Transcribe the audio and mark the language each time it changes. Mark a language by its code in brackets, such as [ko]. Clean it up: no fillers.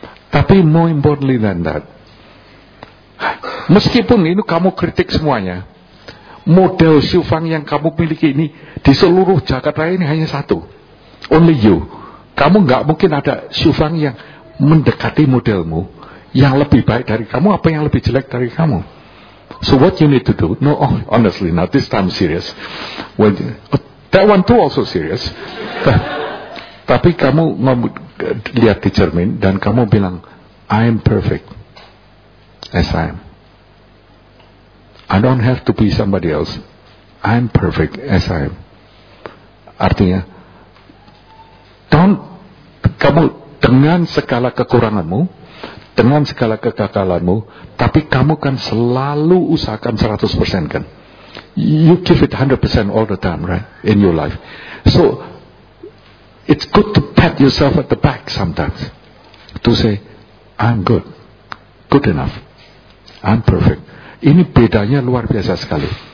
[id] Tapi [en] more importantly than that, [id] meskipun ini kamu kritik semuanya, model Sufang yang kamu miliki ini di seluruh Jakarta ini hanya satu, [en] only you. [id] Kamu enggak mungkin ada Sufang yang mendekati modelmu yang lebih baik dari kamu, apa yang lebih jelek dari kamu. [en] So what you need to do? No, oh, honestly, now this time serious. When that one too also serious. [id] Tapi kamu lihat di cermin dan kamu bilang, [en] I am perfect as I am. I don't have to be somebody else. I am perfect as I am. [id] Artinya, kamu dengan segala kekuranganmu, dengan segala kegagalanmu, tapi kamu kan selalu usahakan 100% kan? [en] You give it 100% all the time, right? In your life. So, it's good to pat yourself at the back sometimes. To say, I'm good. Good enough. I'm perfect. [id] Ini bedanya luar biasa sekali.